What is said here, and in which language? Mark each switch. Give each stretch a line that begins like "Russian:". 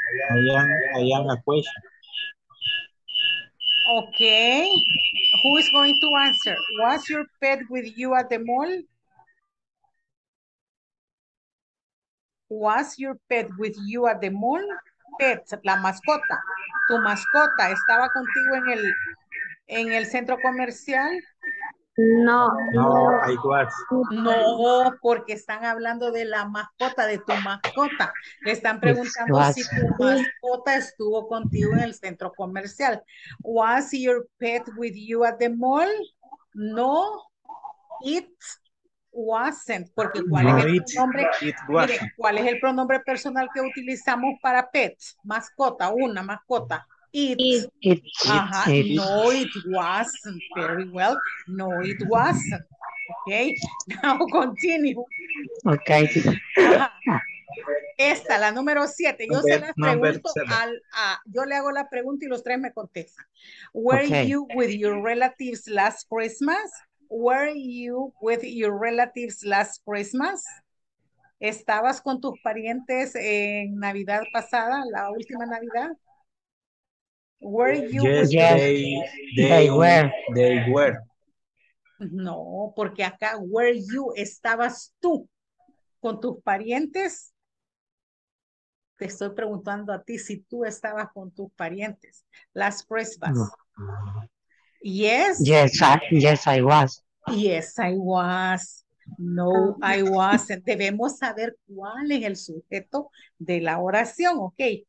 English: I am a question. Okay. Who is going to answer? Was your pet with you at the mall? Was your pet with you at the mall?
Spanish: Pet, la mascota. ¿Tu mascota estaba contigo en el centro comercial?
English: No. No, I was.
Spanish: No, porque están hablando de la mascota, de tu mascota. Le están preguntando si tu mascota estuvo contigo en el centro comercial.
English: Was your pet with you at the mall? No, it wasn't.
Spanish: Porque ¿cuál es el pronombre?
English: It wasn't. Mire,
Spanish: ¿cuál es el pronombre personal que utilizamos para pet? Mascota, una mascota.
English: It wasn't. Very well. No, it wasn't. Okay. Now continue. Okay.
Spanish: Esta, la número siete. Yo se las pregunto yo le hago la pregunta y los tres me contestan.
English: Were you with your relatives last Christmas? Were you with your relatives last Christmas?
Spanish: ¿Estabas con tus parientes en Navidad pasada, la última Navidad?
English: Were you? Yes, they were.
Spanish: No, porque acá,
English: were you,
Spanish: estabas tú con tus parientes. Te estoy preguntando a ti si tú estabas con tus parientes.
English: Last Christmas. Yes. Yes, I was. Yes, I was. No, I wasn't.
Spanish: Debemos saber cuál es el sujeto de la oración, ¿ok?